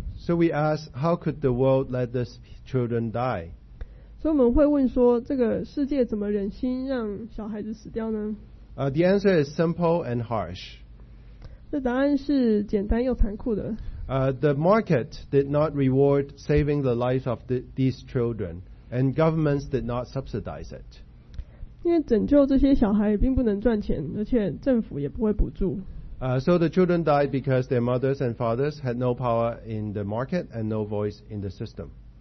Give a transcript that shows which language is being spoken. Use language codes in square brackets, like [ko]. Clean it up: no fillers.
[en] So we ask, how could the world let these children die? [zh] 所以我們會問說,這個世界怎麼忍心讓小孩子死掉呢? [en] The answer is simple and harsh. [zh] 這答案是簡單又殘酷的。 [en] The market did not reward saving the lives of these children, and governments did not subsidize it. [zh] 因為拯救這些小孩並不能賺錢,而且政府也不會補助。 [en] So the children died because their mothers and fathers had no power in the market and no voice in the system.